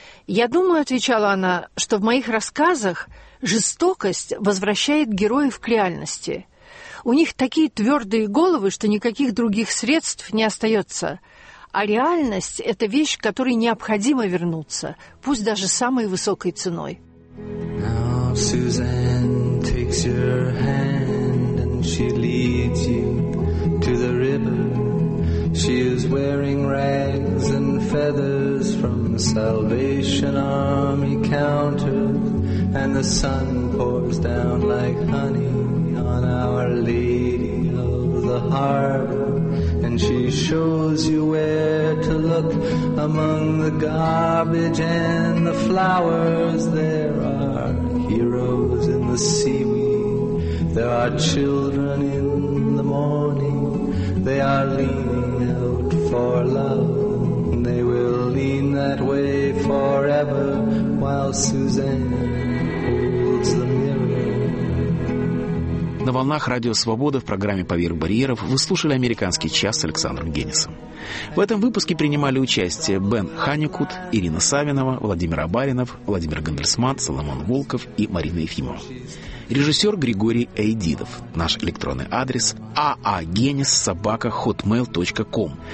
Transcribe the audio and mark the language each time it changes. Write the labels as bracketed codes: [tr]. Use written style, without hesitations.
[ru] «Я думаю, — отвечала она, — что в моих рассказах жестокость возвращает героев к реальности. У них такие твердые головы, что никаких других средств не остается. А реальность – это вещь, к которой необходимо вернуться, пусть даже самой высокой ценой». [en] Now Susan takes your hand and she leads you to the river. She is wearing rags and feathers from the Salvation Army counter. And the sun pours down like honey on Our Lady of the Harbor. And she shows you where to look among the garbage and the flowers. There are heroes in the seaweed. There are children in the morning. They are leaning out for love. They will lean that way forever while Suzanne holds the mirror. [ru] На волнах Радио Свобода в программе «Поверх барьеров» вы слушали «Американский час» с Александром Генисом. В этом выпуске принимали участие Бен Ханекут, Ирина Савинова, Владимир Абаринов, Владимир Гандельсман, Соломон Волков и Марина Ефимова. Режиссер Григорий Эйдидов. Наш электронный адрес – aagenis@hotmail.com.